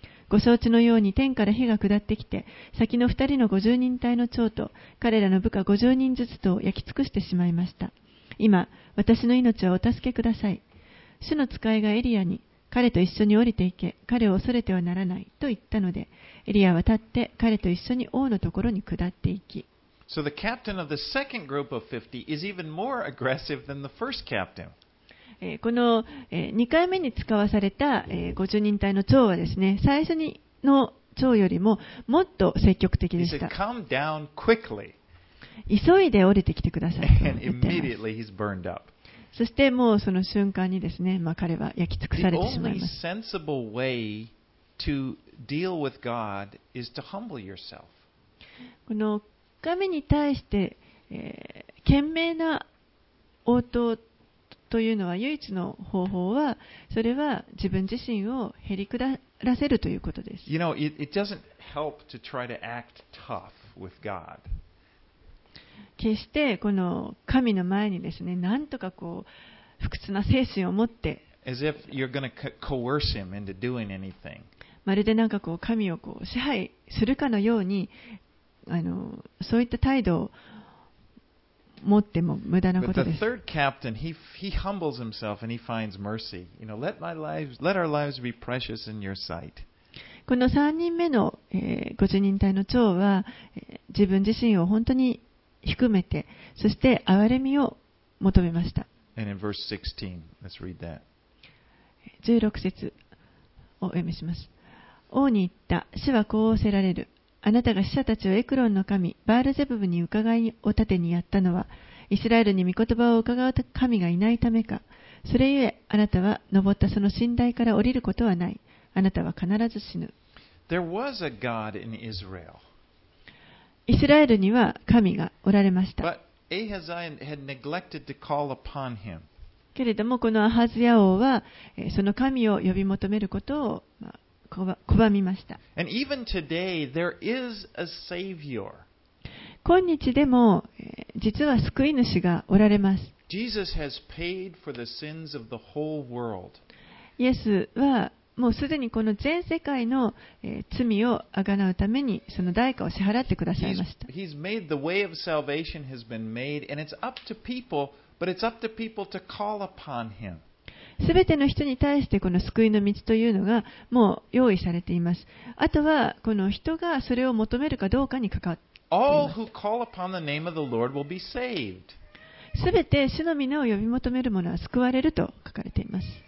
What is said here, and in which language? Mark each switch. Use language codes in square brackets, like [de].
[ja] ご承知のように天から火が下ってきて、先の2人の50人隊の長と、彼らの部下50人ずつとを焼き尽くしてしまいました。今、私の命をお助けください。主の使いがエリアに、彼と一緒に降りていけ、彼を恐れてはならないと言ったので、エリアは立って彼と一緒に王のところに下っていき。 [en] So the captain of the second group of 50 is even more aggressive than the first captain. [ja] この2回目に使わされた50人隊の長はですね、最初の長よりももっと積極的でした。 [en] He said, "Come down quickly." [ja] 急いで降りてきてください。 [en] And immediately he's burned up. [ja] そしてもうその瞬間にですね、まあ、彼は焼き尽くされてしまいます。 [en] The only sensible way to deal with God is to humble yourself. [ja] この神に対して、賢明な応答というのは唯一の方法は、それは自分自身をへり下らせるということです。 [en] You know, it doesn't help to try to act tough with God. [ja] 決してこの神の前にですね、なんとかこう不屈な精神を持って、 [en] As if you're gonna coerce him into doing anything. [ja] まるでなんかこう神をこう支配するかのようにそういった態度を持っても無駄なことです。 [en] But the third captain, he humbles himself and he finds mercy. You know, let our lives be precious in your sight. [ja] この3人目の、50人隊の長は、自分自身を本当に低めて、そして憐れみを求めました。 [en] And in verse 16, let's read that. [ja] 16節をお読みします。王に言った、主はこうおせられる。あなたが使者たちをエクロンの神、バールゼブブに伺いを立てにやったのは、イスラエルに御言葉を伺う神がいないためか。それゆえ、あなたは登ったその寝台から降りることはない。あなたは必ず死ぬ。 [en] There was a God in Israel. [ja] イスラエルには神がおられました。 [en] But Ahaziah had neglected to call upon him. [ja] けれどもこのアハズヤ王はその神を呼び求めることを拒みました。 [en] And even today, there is a savior. [ja] 今日でも実は救い主がおられます。 [en] Jesus has paid for the sins of the whole world. [ja] イエスはもうすでにこの全世界の罪を贖うためにその代価を支払ってくださいました。 [en] He's made the way of salvation has been made, and it's up to people, but it's up to people to call upon him. [ja] すべての人に対してこの救いの道というのがもう用意されています。あとはこの人がそれを求めるかどうかにかかっています。 [en] All who call upon the name of the Lord will be saved. [ja] すべて主の名を呼び求める者は救われると書かれています。